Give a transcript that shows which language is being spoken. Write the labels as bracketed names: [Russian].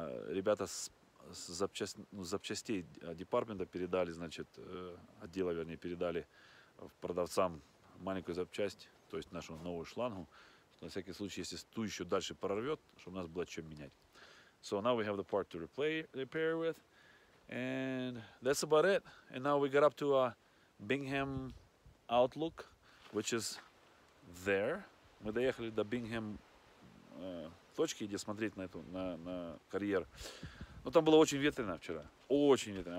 [Russian] Ребята с запчастей департамента передали, значит, отдела, вернее, передали продавцам маленькую запчасть, то есть нашу новую шлангу, на всякий случай, если ту еще дальше прорвет, чтобы у нас было чем менять. [English] So now we have the part to repair with, and that's about it. And now we got up to a Bingham Outlook, which is there. [Russian] Мы доехали до Bingham точки, где смотреть на эту на карьер. Но там было очень ветрено вчера, очень ветрено.